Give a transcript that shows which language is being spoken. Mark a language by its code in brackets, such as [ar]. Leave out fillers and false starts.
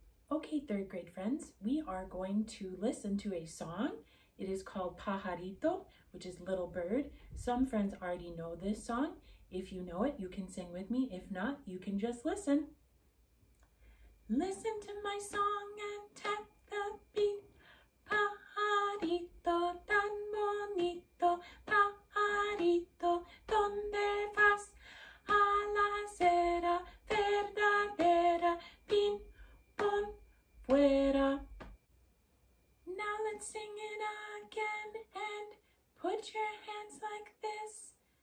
[en] Okay, third grade friends, we are going to listen to a song. It is called Pajarito, which is Little Bird. Some friends already know this song. If you know it, you can sing with me. If not, you can just listen. Listen to my song and tap the beat. [es] Pajarito tan bonito, pajarito, ¿dónde vas? A la acera verdadera, pin, pon, fuera. [en] Now let's sing it again and put your hands like this.